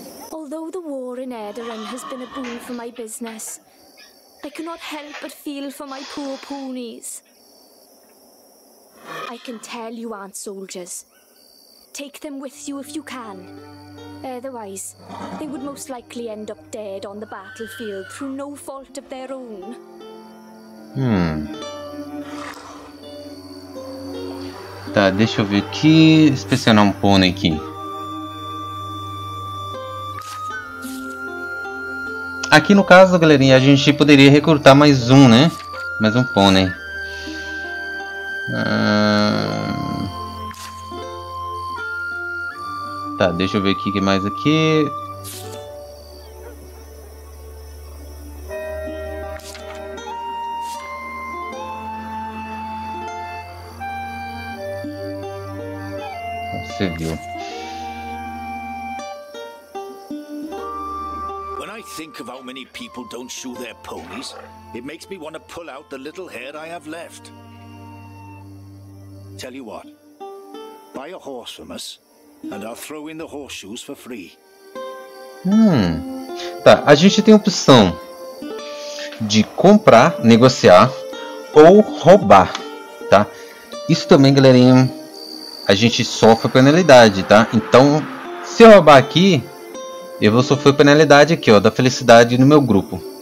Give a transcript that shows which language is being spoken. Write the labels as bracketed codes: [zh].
[en] Although the war in Edoran has been a boon for my business, I cannot help but feel for my poor ponies. I can tell you aren't soldiers. Take them with you if you can. Otherwise, they would most likely end up dead on the battlefield through no fault of their own. [pt] Tá, deixa eu ver aqui, inspecionar um pônei aqui. Aqui no caso, galerinha, a gente poderia recrutar mais um, né? Mais um pônei. Tá, deixa eu ver aqui o que mais aqui. Você viu. [en] When I think of how many people don't shoe their ponies, it makes me want to pull out the little hair I have left. Tell you what. Buy a horse from us and I'll throw in the horseshoes for free. [pt] Tá, a gente tem a opção de comprar, negociar ou roubar, tá? Isso também, galerinha, a gente sofre penalidade, tá? Então, se eu roubar aqui, eu vou sofrer penalidade aqui, ó, da felicidade no meu grupo.